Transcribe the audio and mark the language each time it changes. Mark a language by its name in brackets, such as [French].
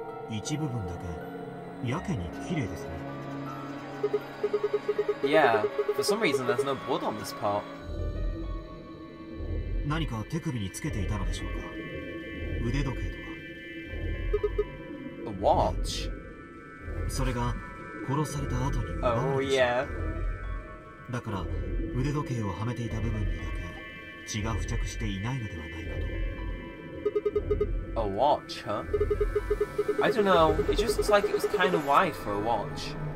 [Japanese] 一部分だけやけに綺麗ですね。 [English] Yeah, for some reason there's no blood on this part. [Japanese] 何か手首につけていたのでしょうか。腕時計とか。 [English] A watch? [Japanese] それが殺された後に奪われました。 [English] Oh yeah. [Japanese] だから腕時計をはめていた部分にだけ血が付着していないのではないかと。 [English] A watch, huh? I don't know, it just looks like it was kind of wide for a watch.